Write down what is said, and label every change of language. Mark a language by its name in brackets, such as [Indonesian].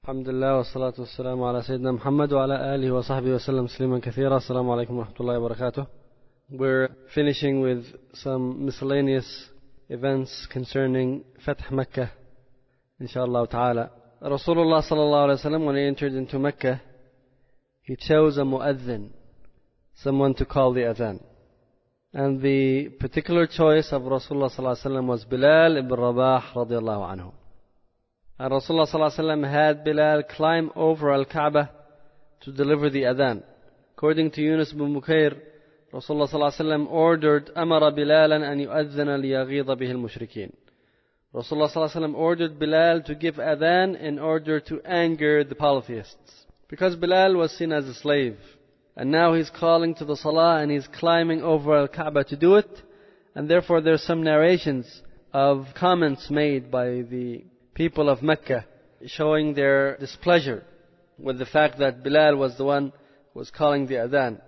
[Arabic] الحمد لله والصلاة والسلام على سيدنا محمد وعلى آله وصحبه وسلم سليما كثيرا. السلام عليكم ورحمة الله وبركاته. [English] We're finishing with some miscellaneous events concerning فتح مكة [Arabic] إن شاء الله تعالى. [English] رسول الله صلى الله عليه وسلم, when he entered into Mecca, he chose a مؤذن, someone to call the أذان. And the particular choice of Rasulullah صلى الله عليه وسلم was Bilal ibn Rabah رضي الله عنه. And Rasulullah صلى الله عليه وسلم had Bilal climb over Al-Kaaba to deliver the Adhan. According to Yunus ibn Mukair, Rasulullah صلى الله عليه وسلم ordered, [Arabic] أمر بلالا أن يؤذن ليغيظ به المشركين. [English] Rasulullah صلى الله عليه وسلم ordered Bilal to give Adhan in order to anger the polytheists. Because Bilal was seen as a slave. And now he's calling to the Salah and he's climbing over Al-Kaaba to do it. And therefore there's some narrations of comments made by the people of Mecca showing their displeasure with the fact that Bilal was the one who was calling the Adhan.